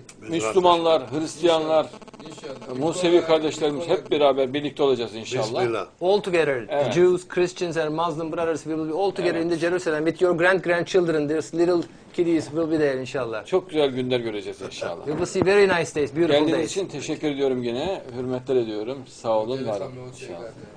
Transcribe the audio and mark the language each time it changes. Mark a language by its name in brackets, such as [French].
[Turkish] Müslümanlar, Hristiyanlar, Musevi kardeşlerimiz hep beraber birlikte olacağız inşallah. [English] All together, evet. Jews, Christians and Muslim brothers will be all together, evet, in the Jerusalem with your grand grandchildren, there's little kiddies will be there inshallah. [Turkish] Çok güzel günler göreceğiz inşallah. [English] We will see very nice days, beautiful [Turkish] geldiğiniz Geldiğiniz için teşekkür ediyorum yine, hürmetler ediyorum. Sağ olun, var olun inşallah.